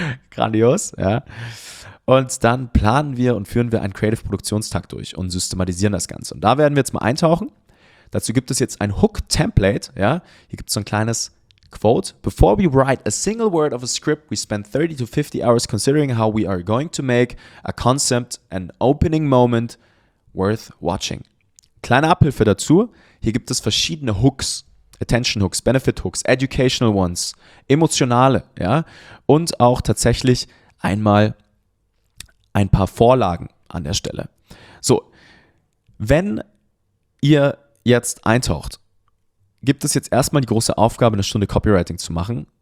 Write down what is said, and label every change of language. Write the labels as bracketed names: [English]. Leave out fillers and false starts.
[German] Grandios, ja. Und dann planen wir und führen wir einen Creative-Produktionstag durch und systematisieren das Ganze. Und da werden wir jetzt mal eintauchen. Dazu gibt es jetzt ein Hook-Template, ja. Hier gibt es so ein kleines Quote. [English] Before we write a single word of a script, we spend 30 to 50 hours considering how we are going to make a concept, an opening moment worth watching. [German] Kleine Abhilfe dazu. Hier gibt es verschiedene Hooks. Attention Hooks, Benefit Hooks, Educational Ones, emotionale, ja. Und auch tatsächlich einmal ein paar Vorlagen an der Stelle. So, wenn ihr jetzt eintaucht, gibt es jetzt erstmal die große Aufgabe, eine Stunde Copywriting zu machen.